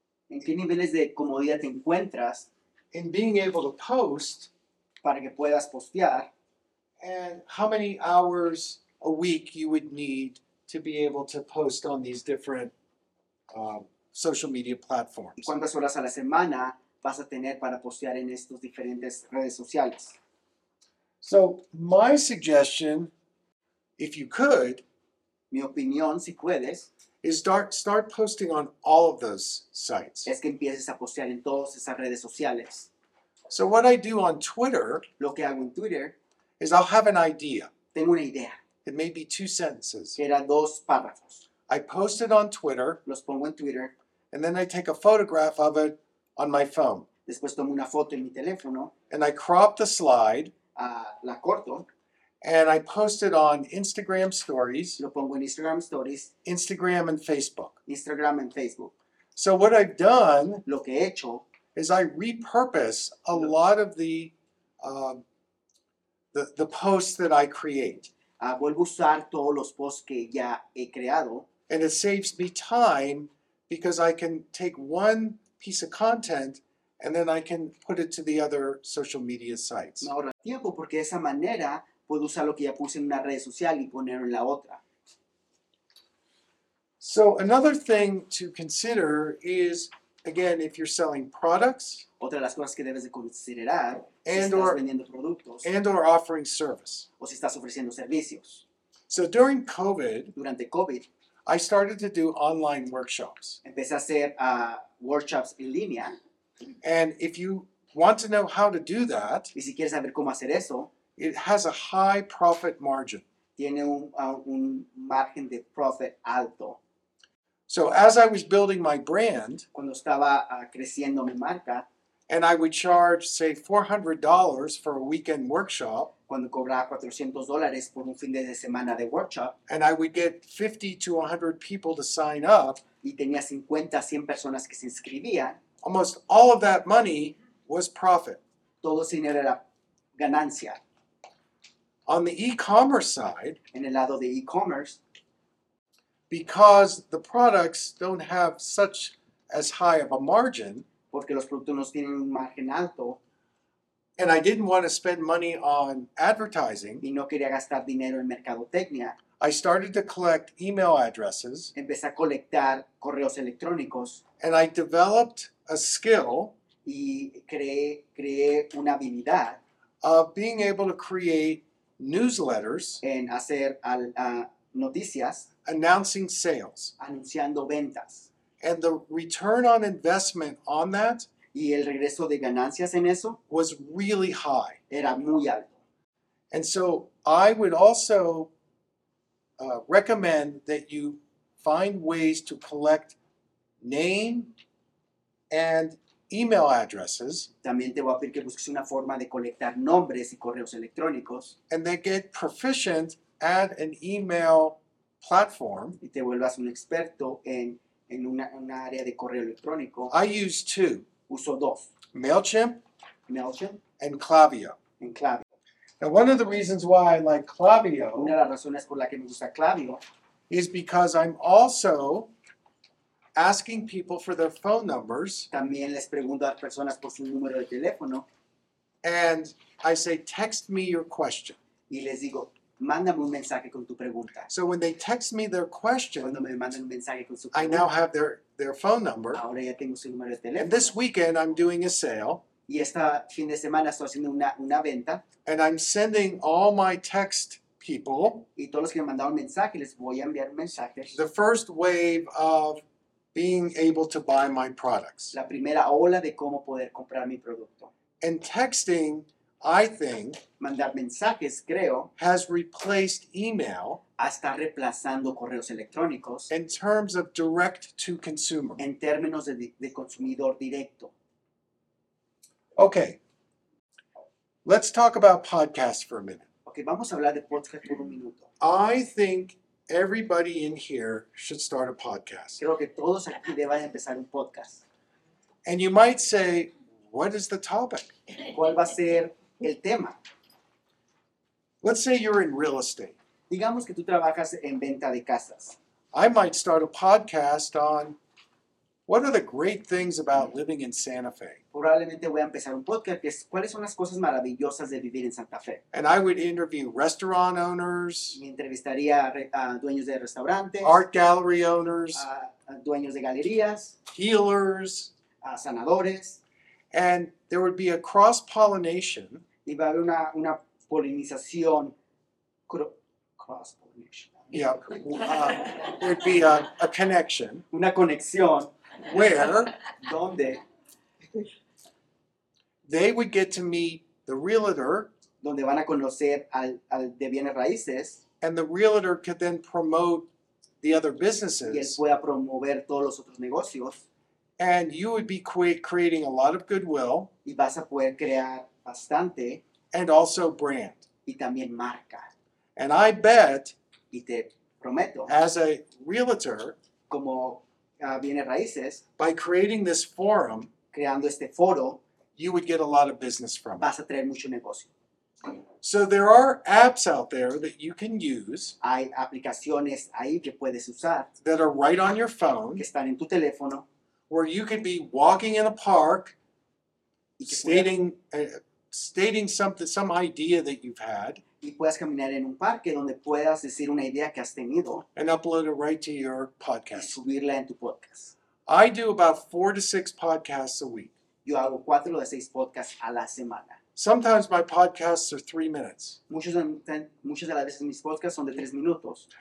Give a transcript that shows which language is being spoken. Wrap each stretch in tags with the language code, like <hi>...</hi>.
<es>¿En qué niveles de comodidad te encuentras?</es> <en>In being able to post.</en> <es>Para que puedas postear.</es> <en>And how many hours a week you would need to be able to post on these different social media platforms.</en> <es>¿Y cuántas horas a la semana vas a tener para postear en estas diferentes redes sociales?</es> <en>So my suggestion, if you could,</en> <es>mi opinión, si puedes,</es> <en>is start posting on all of those sites.</en> <es>Es que empieces a postear en todas esas redes sociales.</es> <en>So what I do on Twitter,</en> <es>lo que hago en Twitter,</es> <en>is I'll have an idea.</en> <es>Tengo una idea.</es> <en>It may be two sentences.</en> <es>Eran dos párrafos.</es> <en>I post it on Twitter.</en> <es>Los pongo en Twitter.</es> <en>And then I take a photograph of it on my phone.</en> <es>Después tomo una foto en mi teléfono.</es> <en>And I crop the slide.</en> <es>La corto.</es> <en>And I post it on Instagram stories.</en> <es>Lo pongo en Instagram stories.</es> <en>Instagram and Facebook. Instagram and Facebook. So what I've done.</en> <es>Lo que he hecho.</es> <en>Is I repurpose a lot of the posts that I create.</en> <es>Vuelvo a usar todos los posts que ya he creado.</es> <en>And it saves me time because I can take one piece of content and then I can put it to the other social media sites.</en> <es>Me ahorra tiempo porque de esa manera puedo usar lo que ya puse en una red social y ponerlo en la otra.</es> <en>So another thing to consider is, again, if you're selling products,</en> <es>otra de las cosas que debes de considerar, si estás vendiendo productos,</es> <en>and or offering service,</en> <es>o si estás ofreciendo servicios.</es> <en>So during COVID,</en> <es>durante COVID,</es> <en>I started to do online workshops.</en> <es>Empecé a hacer workshops en línea.</es> <en>And if you want to know how to do that,</en> <es>y si quieres saber cómo hacer eso,</es> <en>it has a high profit margin.</en> <es>Tiene un margen de profit alto.</es> <en>So as I was building my brand,</en> <es>cuando estaba creciendo mi marca,</es> <en>and I would charge, say, $400 for a weekend workshop,</en> <es>cuando cobraba $400 por un fin de semana de workshop,</es> <en>and I would get 50 to 100 people to sign up,</en> <es>y tenía 50 a 100 personas que se inscribían,</es> <en>almost all of that money was profit.</en> <es>Todo ese dinero era ganancia.</es> <en>On the e-commerce side,</en> <es>en el lado de e-commerce,</es> <en>because the products don't have such as high of a margin,</en> <es>porque los productos no tienen un margen alto,</es> <en>and I didn't want to spend money on advertising,</en> <es>y no quería gastar dinero en mercadotecnia,</es> <en>I started to collect email addresses,</en> <es>empecé a colectar correos electrónicos,</es> <en>and I developed a skill,</en> <es>y creé una habilidad,</es> <en>of being able to create newsletters,</en> <es>en hacer noticias,</es> <en>announcing sales,</en> <es>anunciando ventas,</es> <en>and the return on investment on that,</en> <es>y el regreso de ganancias en eso,</es> <en>was really high.</en> <es>Era muy alto.</es> <en>And so I would also recommend that you find ways to collect name and email addresses.</en> <es>También te voy a pedir que busques una forma de colectar nombres y correos electrónicos.</es> <en>And then get proficient at an email platform.</en> <es>Y te vuelvas un experto en una área de correo electrónico.</es> <en>I use two.</en> <es>Uso dos.</es> <en>MailChimp. And Klaviyo.</en> <es>En Klaviyo.</es> <en>Now one of the reasons why I like Klaviyo.</en> <es>Una de las razones por la que me gusta Klaviyo.</es> <en>Is because I'm also asking people for their phone numbers.</en> <es>También les pregunto a las personas por su número de teléfono.</es> <en>And I say, text me your question.</en> <es>Y les digo, mándame un mensaje con tu pregunta.</es> <en>So when they text me their question,</en> <es>cuando me mandan un mensaje con su pregunta,</es> <en>I now have their phone number.</en> <es>Ahora ya tengo su número de teléfono.</es> <en>And this weekend I'm doing a sale.</en> <es>Y este fin de semana estoy haciendo una venta.</es> <en>And I'm sending all my text people.</en> <es>Y todos los que me mandaron mensaje, les voy a enviar mensajes.</es> <en>The first wave of being able to buy my products.</en> <es>La primera ola de cómo poder comprar mi producto.</es> <en>And texting, I think,</en> <es>mandar mensajes, creo,</es> <en>has replaced email,</en> <es>hasta reemplazando correos electrónicos,</es> <en>in terms of direct to consumer.</en> <es>En términos de consumidor directo.</es> <en>Okay. Let's talk about podcasts for a minute.</en> <es>Okay, vamos a hablar de podcast por un minuto.</es> <en>I think everybody in here should start a podcast.</en> <es>Creo que todos aquí deben empezar un podcast.</es> <en>And you might say, what is the topic?</en> <es>¿Cuál va a ser el tema?</es> <en>Let's say you're in real estate.</en> <es>Digamos que tú trabajas en venta de casas.</es> <en>I might start a podcast on what are the great things about living in Santa Fe.</en> <es>Probablemente voy a empezar un podcast que es cuáles son las cosas maravillosas de vivir en Santa Fe.</es> <en>And I would interview restaurant owners.</en> <es>Me entrevistaría a dueños de restaurantes.</es> <en>Art gallery owners.</en> <es>A dueños de galerías.</es> <en>Healers.</en> <es>A sanadores.</es> <en>And there would be a cross-pollination.</en> <es>Iba a haber una polinización. Cross-pollination.</es> <en>Yeah. There would be a connection.</en> <es>Una conexión.</es> <en>Where?</en> <es>Donde?</es> <en>They would get to meet the realtor.</en> <es>Donde van a conocer al de bienes raíces.</es> <en>And the realtor could then promote the other businesses.</en> <es>Y él pueda promover todos los otros negocios.</es> <en>And you would be creating a lot of goodwill.</en> <es>Y vas a poder crear bastante.</es> <en>And also brand.</en> <es>Y también marca.</es> <en>And I bet,</en> <es>y te prometo,</es> <en>as a realtor,</en> <es>como bienes raíces,</es> <en>by creating this forum,</en> <es>creando este foro,</es> <en>you would get a lot of business from</en> <es>vas a traer mucho negocio.</es> <en>So there are apps out there that you can use.</en> <es>Hay aplicaciones ahí que puedes usar</es> <en>that are right on your phone.</en> <es>Que están en tu teléfono.</es> <en>Where you could be walking in a park, stating something, some idea that you've had.</en> <es>Y puedas caminar en un parque donde puedas decir una idea que has tenido.</es> <en>And upload it right to your podcast.</en> <es>Y subirla en tu podcast.</es> <en>I do about 4 to 6 podcasts a week.</en> <es>Yo hago 4 o 6 podcasts a la semana.</es> <en>Sometimes my podcasts are 3 minutes.</en> <es>Muchas de las veces mis podcasts son de 3 minutos.</es>